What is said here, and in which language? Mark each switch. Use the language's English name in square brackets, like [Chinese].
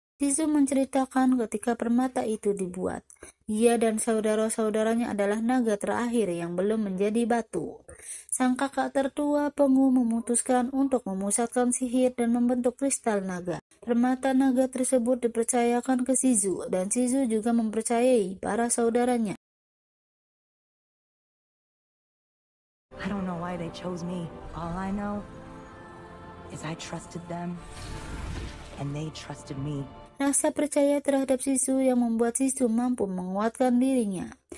[Indonesian] Sisu menceritakan ketika permata itu dibuat, ia dan saudara-saudaranya adalah naga terakhir yang belum menjadi batu. Sang kakak tertua Pengu memutuskan untuk memusatkan sihir dan membentuk kristal naga. Permata naga tersebut dipercayakan ke Sisu dan Sisu juga mempercayai para saudaranya. [English] I don't know why they chose me. All I know is I trusted them and they trusted me. [Indonesian] Rasa percaya terhadap Sisu yang membuat Sisu mampu menguatkan dirinya.